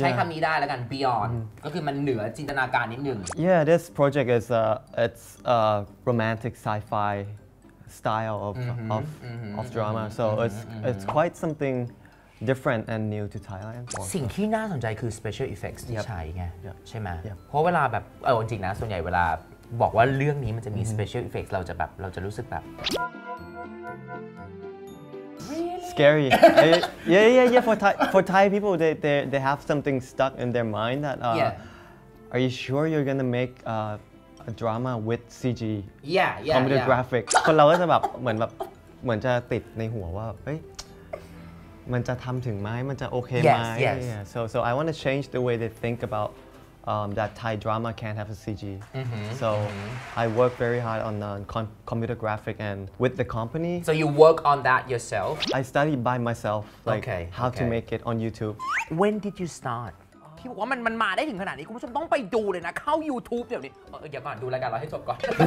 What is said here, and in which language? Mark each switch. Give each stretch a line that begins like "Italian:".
Thai: ใช้คำนี้ได้แล้วกัน beyond mm-hmm. ก็คือมันเหนือจินตนาการนิดนึง
English: Yeah this project is it's a romantic sci-fi style of mm-hmm. Of, mm-hmm. of drama so mm-hmm. it's quite something different and new to Thailand.
Thai: สิ่งที่น่าสนใจคือ special effects ที่ใช้ไง
English: yep.
Thai: ใช่ไหม
English: yep.
Thai: เพราะเวลาแบบจริงๆนะส่วนใหญ่เวลาบอกว่าเรื่องนี้มันจะมี special effects เราจะแบบเราจะรู้สึกแบบ
English: scary yeah for Thai people they have something stuck in their mind that are you sure you're gonna make a drama with CG computer graphics
Thai: คนเราก็จะแบบเหมือนจะติดในหัวว่าเฮ้ยมันจะทำถึงไหมมันจะโอเคไหม
English: so I want to change the way they think aboutthat Thai drama can't have a CG. Mm-hmm. So I work very hard on the computer graphic and with the company. So you work on that yourself? I study by myself, like how to make it on YouTube. When did you start?
Thai: พี่บอกว่ามันมาได้ถึงขนาดนี้คุณผู้ชมต้องไปดูเลยนะเข้า YouTube เดี๋ยวนี้อย่ามาดูรายการเราให้จบก่อน